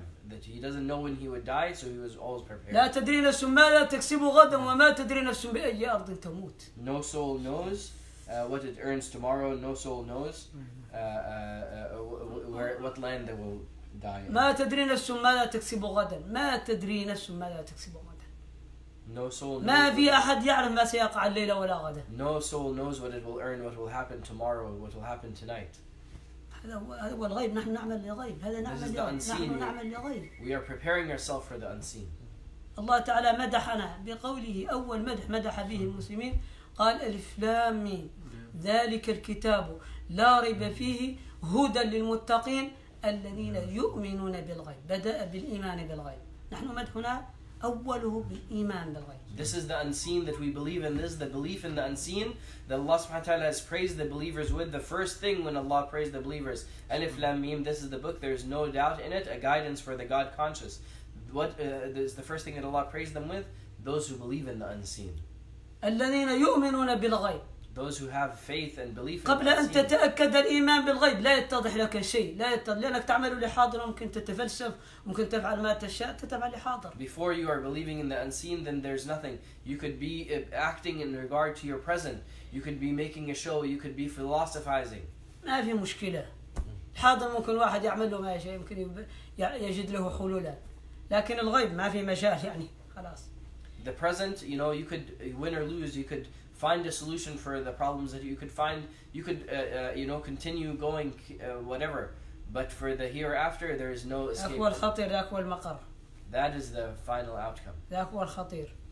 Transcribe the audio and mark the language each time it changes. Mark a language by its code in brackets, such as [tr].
[en] That he doesn't know when he would die, so he was always prepared. [ar] لا تدري نفس ماذا تكسب غدا وما تدري نفس بأي أرض تموت. [en] No soul knows what it earns tomorrow, no soul knows where what land they will die in. [ar] ما تدري نفس ماذا تكسب غدا. ما تدري نفس ماذا تكسب غدا. [en] No soul knows. [ar] ما في أحد يعرف ما سيقع الليلة ولا غدا. [en] No soul knows what it will earn, what will happen tomorrow, what will happen tonight. [ar] هذا هو الغيب. نحن نعمل لغيب. هذا نعمل لغيب. نحن نعمل لغيب. [en] We are preparing ourselves for the unseen. [ar] الله تعالى مدحنا بقوله أول مدح مدح به المسلمين. قال ألف لام ميم ذلك الكتاب لا ريب فيه هدى للمتقين الذين يؤمنون بالغيب. بدأ بالإيمان بالغيب. نحن مدحنا أوله بالإيمان بالغيب. [en] This is the unseen that we believe in. This is the belief in the unseen that Allah Subhanahu wa Taala has praised the believers with. The first thing when Allah praised the believers, [ar] ألف لام ميم. [en] This is the book. There is no doubt in it. A guidance for the God conscious. What is the first thing that Allah praised them with? Those who believe in the unseen. [ar] الذين يؤمنون بالغيب. [en] Those who have faith and belief. [ar] قبل أن تتأكد الإيمان بالغيب لا يتضح لك شيء. لا يتضح لأنك تعمل لحاضر ممكن تتفلسف ممكن تفعل ما تشاء تتبع لحاضر. [en] Before you are believing in the unseen, then there's nothing. You could be acting in regard to your present. You could be making a show. You could be philosophizing. [ar] ما في مشكلة. حاضر ممكن واحد يعمل له ما يشاء يمكن يجد له حلولا. لكن الغيب ما في مجال يعني خلاص. [en] The present, you know, you could win or lose, you could find a solution for the problems that you could find, you could, you know, continue going, whatever. But for the hereafter, there is no escape. That is the final outcome.